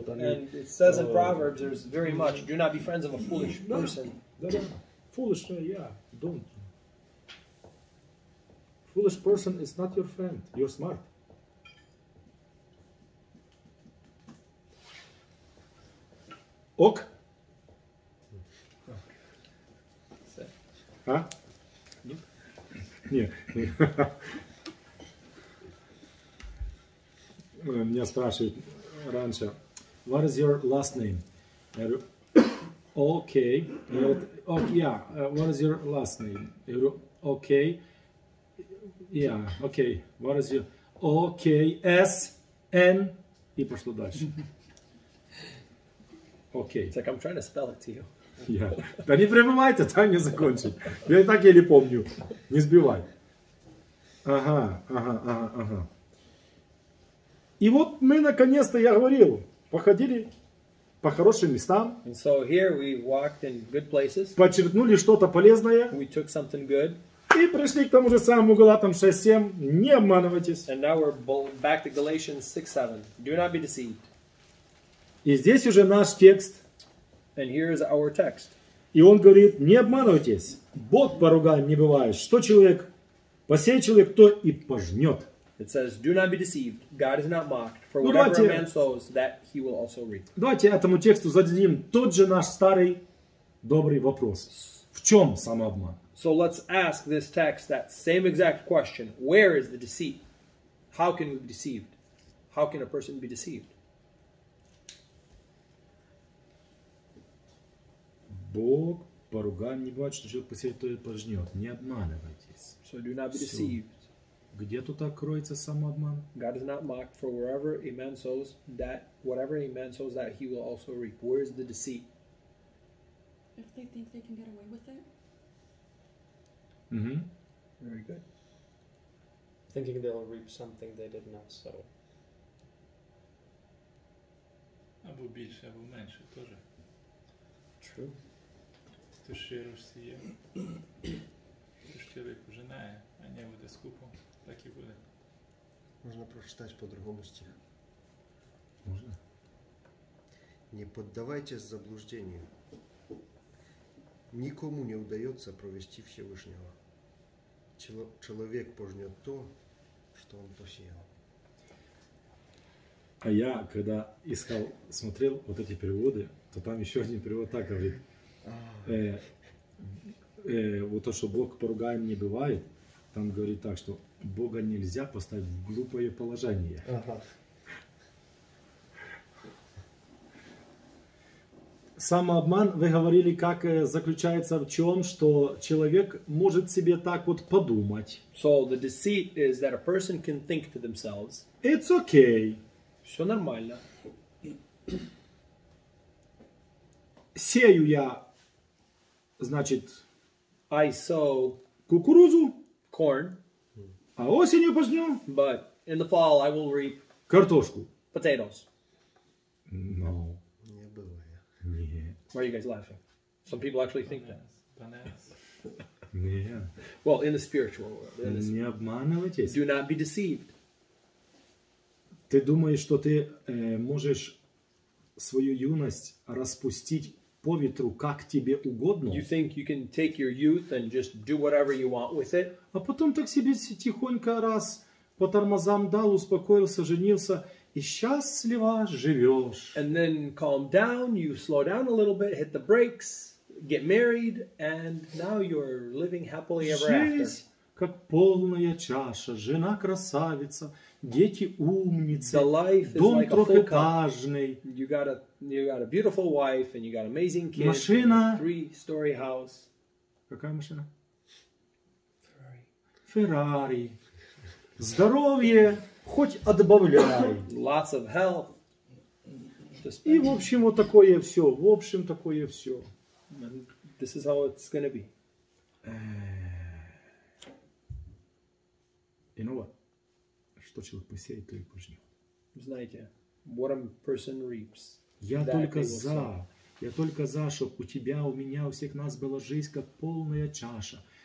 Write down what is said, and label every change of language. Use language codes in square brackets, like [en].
[ru] Там, [en] and it says in Proverbs, there's very much, do not be friends of a foolish person. Foolish, yeah, don't. Foolish person is not your friend. You're smart. [ru] Ок? Все. А? Нет. Меня спрашивают раньше, [en] what is your last name? [ru] Я говорю, okay. [en] What is your last name? [ru] Я говорю, okay. [en] Yeah, okay. What is your... Okay, S, N. [ru] И пошло дальше. Окей. [en] Okay. Like I'm trying to spell it to you. Yeah. [ru] Да не прерывайте, дай мне закончить. Я и так еле помню. Не сбивай. Ага. И вот мы наконец-то, я говорил, походили по хорошим местам. [en] And so here we walked in good places. [ru] Подчеркнули что-то полезное. [en] We took something good. [ru] И пришли к тому же самому Галатам 6:7. Не обманывайтесь. [en] And now we're back to Galatians 6:7. Do not be deceived. [ru] И здесь уже наш текст. [en] And here is our text. [ru] И он говорит: не обманывайтесь. Бог поруганием не бывает. Что человек посеет, человек то и пожнет. [en] It says, do not be deceived. God is not mocked. For whatever a man sows, that he will also reap. [ru] Давайте этому тексту зададим тот же наш старый добрый вопрос. В чем самообман? [en] So let's ask this text that same exact question. Where is the deceit? How can we be deceived? How can a person be deceived? [ru] Бог поруганием не бывает, что человек посеет, то и пожнет. Не обманывайтесь. [en] So do not be deceived. [ru] Где тут так кроется самообман? [en] God is not mocked, for wherever a man sows, that whatever a man sows, that he will also reap. Where is the deceit? If they think they can get away with it. Mm-hmm. Very good. Thinking they'll reap something they did not sow. [uk] Або більше, або менше, тоже. [en] True. [uk] Хто щиро сіє, хто щиро пожинає, а не буде скупом. Так і буде. Можна прочитати по-другому стих. Можна. Не піддавайтесь заблудженню. Нікому не вдається провести Всевишнього. Чоловік пожне то, що він посіяв. [ru] А я, коли искав, смотрел вот эти переводы, то там ще один перевод так говорить. Вот то, що Бог поругаєм не буває, там говорить так, що Бога нельзя поставить в глупое положение. Ага. Самообман, вы говорили, как заключается в чем, что человек может себе так вот подумать. [en] So the deceit is that a person can think to themselves. It's okay. [ru] Все нормально. Сею я, значит, [en] I sow [ru] кукурузу. [en] Corn. [ru] А осенью пожнем? [en] But in the fall I will reap [ru] картошку. [en] Potatoes. No. [ru] Не бывает. Нет. [en] Why are you guys laughing? Some people actually think bananas. That. Bananas. [ru] Нет. [en] Well, in the spiritual world. [ru] Не обманывайтесь. [en] Do not be deceived. [ru] Ты думаешь, что ты можешь свою юность распустить по ветру, как тебе угодно? [en] You think you can take your youth and just do whatever you want with it? [ru] А потом так себе тихонько раз по тормозам дал, успокоился, женился и счастливо живешь. [en] And then calm down, you slow down a little bit, hit the brakes, get married, and now you're living happily ever after. [ru] Жизнь как полная чаша, жена красавица, дети умницы, дом [en] like [ru] трехэтажный. [en] You got a beautiful wife and you got amazing kids. [ru] Машина. [en] Three-story house. [ru] Какая машина? [en] Ferrari. [ru] Здоровье хоть отбавляй. [en] Lots of health. [ru] И в общем вот такое все. В общем такое все. [en] And this is how it's gonna be. You know what? [ru] Что человек посеет, то и пожнет. Знаете, [en] what a person reaps. [ru] Я только за, чтобы у тебя, у меня, у всех нас была жизнь как полная чаша.